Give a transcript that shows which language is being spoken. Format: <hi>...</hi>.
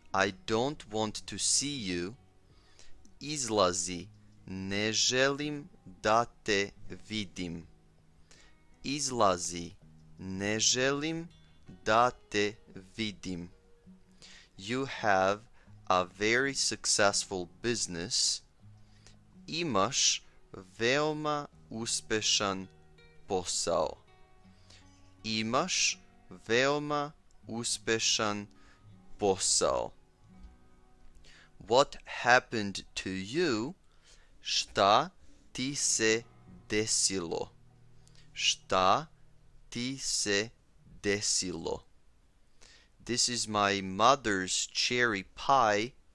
<en>I don't want to see you.</en> <sr>Izlazi. Ne želim da te vidim. Izlazi. Ne želim da te vidim.</sr> <en>You have a very successful business.</en> <sr>Imaš veoma uspešan posao. Imaš veoma uspešan posao.</sr> <en>What happened to you?</en> <sr>Šta ti se desilo? Šta ti se desilo?</sr> <en>This is my mother's cherry pie.</en>